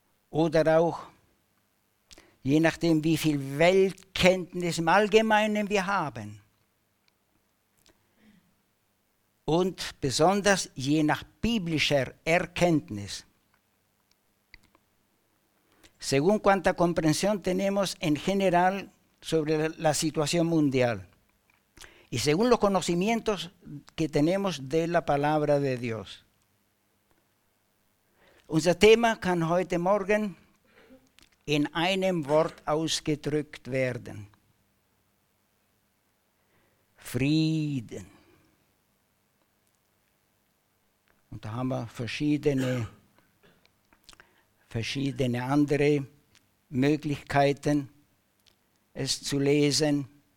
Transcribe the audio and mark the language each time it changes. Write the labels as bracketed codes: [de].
[de] Oder auch, je nachdem, wie viel Weltkenntnis im Allgemeinen wir haben. Und besonders je nach biblischer Erkenntnis. [es] Según cuánta comprensión tenemos en general sobre la situación mundial y según los conocimientos que tenemos de la palabra de Dios. [de] Unser Thema kann heute Morgen in einem Wort ausgedrückt werden. Frieden. Und da haben wir verschiedene andere Möglichkeiten, es zu lesen.